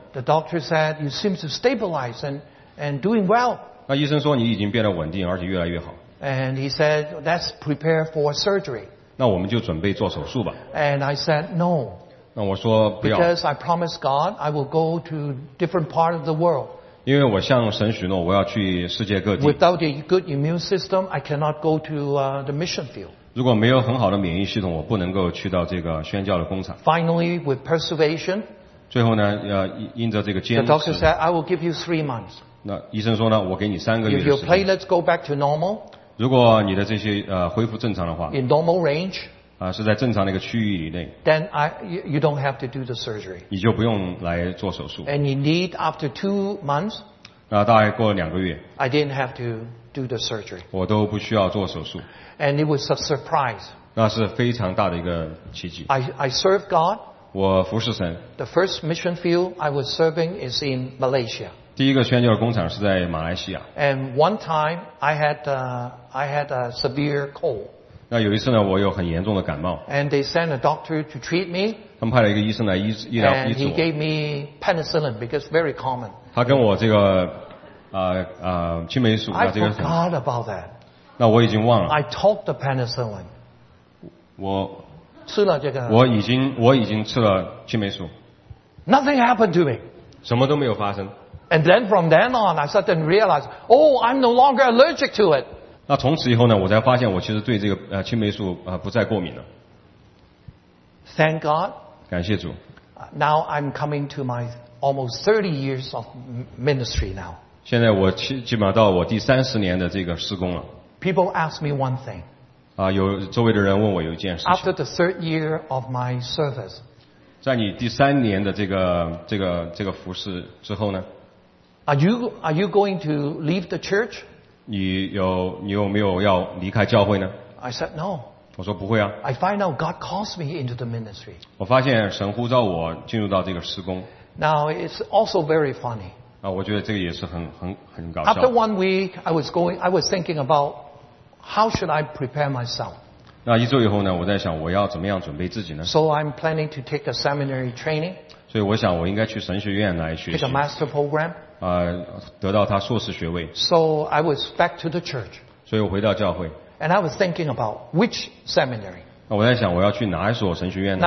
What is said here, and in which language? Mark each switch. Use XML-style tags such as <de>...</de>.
<en>？The doctor said you seem to stabilize and doing well.</en> <zh>那医生说你已经变得稳定，而且越来越好。</zh> <en>And he said let's prepare for surgery.</en> <zh>那我们就准备做手术吧。</zh> <en>And I said no.</en> <zh>那我说不要。</zh> <en>Because I promise God I will go to different part of the world.</en> <zh>因为我向神许诺我要去世界各地。</zh> <en>Without a good immune system, I cannot go to the mission field.</en> <zh>如果没有很好的免疫系统，我不能够去到这个宣教的工厂。</zh> <en>Finally, with persuasion.</en> <zh>最后呢，因着这个坚持。</zh> <en>The doctor said I will give you 3 months.</en> <zh>那医生说呢，我给你3个月。</zh> <en>If your platelets go back to normal.</en> <zh>如果你的这些恢复正常的话。</zh> <en>In normal range.</en> <zh>是在正常的一个区域以内。</zh> <en>Then you don't have to do the surgery.</en> <zh>你就不用来做手术。</zh> <en>And you need after 2 months.</en> <zh>那大概过了2个月。</zh> <en>I didn't have to do the surgery.</en> <zh>我都不需要做手术。</zh> <en>And it was a surprise.</en> <zh>那是非常大的一个奇迹。</zh> <en>I serve God.</en> <zh>我服侍神。</zh> <en>The first mission field I was serving is in Malaysia.</en> <zh>第一个宣教工厂是在马来西亚。</zh> <en>And one time I had a severe cold.</en> <zh>那有一次呢，我有很严重的感冒。</zh> <en>And they sent a doctor to treat me.</en> <zh>他们派了一个医生来医治我。</zh> <en>And he gave me penicillin because very common.</en> <zh>他跟我这个青霉素这个。</zh> <en>I forgot about that.</en> <zh>那我已经忘了。</zh> <en>I took the penicillin.</en> <zh>我吃了这个。我已经吃了青霉素。</zh> <en>Nothing happened to me.</en> <zh>什么都没有发生。</zh> <en>And then from then on, I suddenly realized, oh, I'm no longer allergic to it.</en> <zh>那从此以后呢，我才发现我其实对这个青霉素不再过敏了。</zh> <en>Thank God.</en> <zh>感谢主。</zh> <en>Now I'm coming to my almost 30 years of ministry now.</en> <zh>现在我基本上到我第30年的这个施工了。</zh> <en>People ask me one thing.</en> <zh>有周围的人问我有一件事情。</zh> <en>After the third year of my service.</en> <zh>在你第三年的这个服侍之后呢</zh> <en>？Are you going to leave the church?</en> <zh>你有没有要离开教会呢</zh> <en>？I said no.</en> <zh>我说不会啊。</zh> <en>I find out God calls me into the ministry.</en> <zh>我发现神呼召我进入到这个施工。</zh> <en>Now it's also very funny.</en> <zh>我觉得这个也是很搞笑。</zh> <en>After 1 week, I was thinking about how should I prepare myself.</en> <zh>那一周以后呢，我在想我要怎么样准备自己呢</zh> <en>？So I'm planning to take a seminary training.</en> <zh>所以我想我应该去神学院来学习。</zh> <en>Take a master program.</en> <zh>得到他硕士学位。</zh> <en>So I was back to the church.</en> <zh>所以我回到教会。</zh> <en>And I was thinking about which seminary.</en> <zh>那我在想我要去哪一所神学院呢</zh>